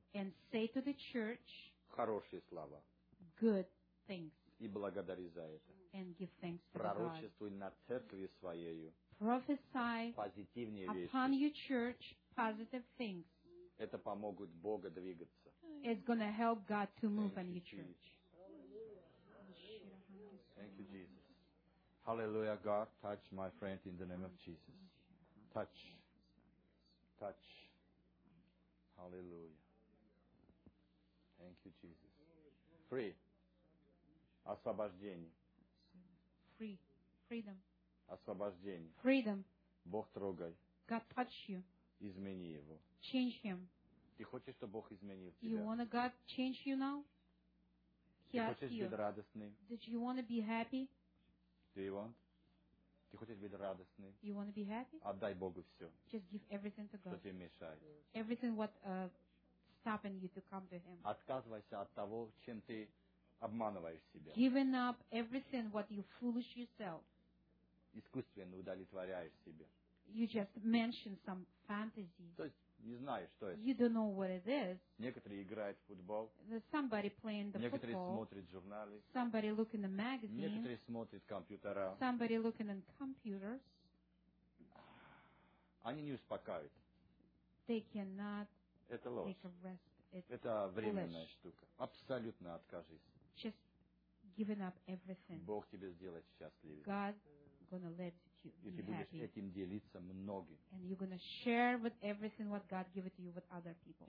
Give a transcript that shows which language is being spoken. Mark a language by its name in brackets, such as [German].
[English] And say to the church. [Russian] Хорошие слова. [English] Good things. [Russian] И благодари за это. [English] And give thanks to [Russian] Пророчествуй [English] God. [Russian] На церкви своею. [English] Prophesy [Russian] Позитивные [English] upon [Russian] вещи. [English] Your church positive things. [Russian] Это помогут Бога двигаться. [English] It's going to help God to move on your church. Thank you, Jesus. Hallelujah, God. Touch my friend in the name of Jesus. Touch. Touch. Hallelujah. Thank you, Jesus. Free. [Russian] Освобождение. [English] Free. Freedom. [Russian] Освобождение. [English] Freedom. [Russian] Бог трогай. [English] God touch you. [Russian] Измени его. [English] Change him. [Russian] Ты хочешь, чтобы Бог изменил тебя? [English] You want God change you now? [Russian] Ты хочешь быть радостным? [English] Did you want to be happy? Do you want? [Russian] Ты хочешь быть радостным? [English] You want to be happy? [Russian] Отдай Богу все. [English] Just give everything to God. [Russian] Что тебе мешает? [English] Everything what stopping you to come to Him. [Russian] Отказывайся от того, чем ты обманываешь себя. [English] Giving up everything what you foolish yourself. [Russian] Искусственно удовлетворяешь себя. [English] You just mention some fantasy. [Russian] То есть не знаю, что это. [English] You don't know what it is. [Russian] Некоторые играют в футбол. [English] Somebody playing the [Russian] Некоторые [English] football. [Russian] Смотрят журналы. [English] Somebody looking the magazine. [Russian] Некоторые смотрят компьютера. [English] Somebody looking in computers. [Russian] они не успокаивают. [English] They cannot [Russian] Это ложь. [English] Take a rest. It's [Russian] Это временная [English] foolish. [Russian] Штука. Абсолютно откажись. [English] Just giving up everything. [Russian] Бог тебе сделает счастливее. [English] God gonna let you [Russian] И ты будешь [English] happy. [Russian] Этим делиться многим. [English] And you're gonna share with everything what God gave to you with other people.